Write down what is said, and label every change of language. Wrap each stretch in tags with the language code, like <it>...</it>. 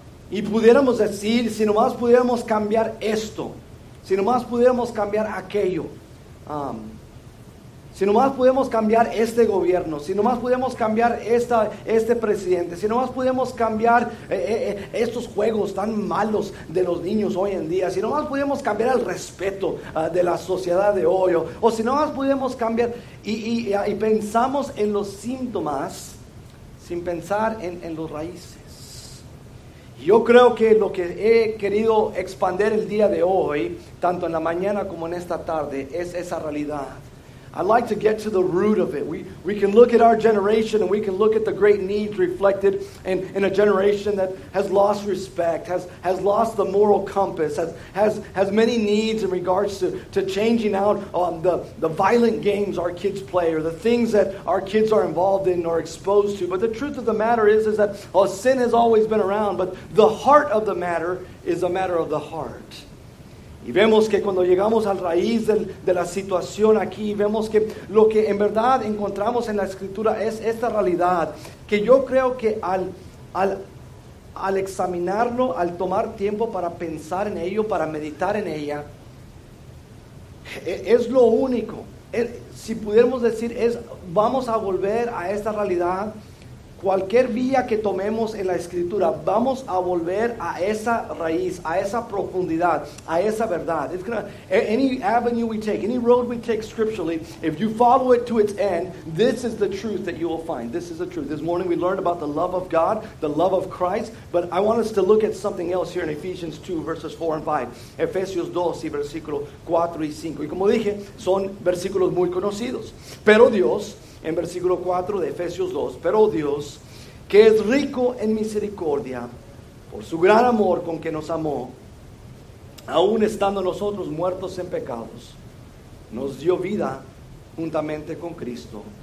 <es>Y pudiéramos decir, si nomás pudiéramos cambiar esto, si nomás pudiéramos cambiar aquello, si nomás pudiéramos cambiar este gobierno, si nomás pudiéramos cambiar este presidente, si nomás pudiéramos cambiar estos juegos tan malos de los niños hoy en día, si nomás pudiéramos cambiar el respeto de la sociedad de hoy, o si nomás pudiéramos cambiar, y pensamos en los síntomas sin pensar en los raíces. Yo creo que lo que he querido expandir el día de hoy, tanto en la mañana como en esta tarde, es esa realidad.</es> <en>I'd like to get to the root of it. We can look at our generation and we can look at the great needs reflected in a generation that has lost respect, has lost the moral compass, has many needs in regards to changing out the violent games our kids play or the things that our kids are involved in or exposed to. But the truth of the matter is that sin has always been around, but the heart of the matter is a matter of the heart.</en> <es>Y vemos que cuando llegamos al raíz de la situación aquí, vemos que lo que en verdad encontramos en la Escritura es esta realidad, que yo creo que al examinarlo, al tomar tiempo para pensar en ello, para meditar en ella, es lo único. Si pudiéramos decir, vamos a volver a esta realidad, cualquier vía que tomemos en la Escritura, vamos a volver a esa raíz, a esa profundidad, a esa verdad.</es> <en>It's gonna, any avenue we take, any road we take scripturally, if you follow it to its end, this is the truth that you will find. This is the truth. This morning we learned about the love of God, the love of Christ, but I want us to look at something else here in Ephesians 2, verses 4 and 5.</en> <es>Efesios 2, y versículo 4 y 5. Y como dije, son versículos muy conocidos. Pero Dios, en versículo 4 de Efesios 2, pero Dios, que es rico en misericordia, por su gran amor con que nos amó, aun estando nosotros muertos en pecados, nos dio vida juntamente con Cristo.</es>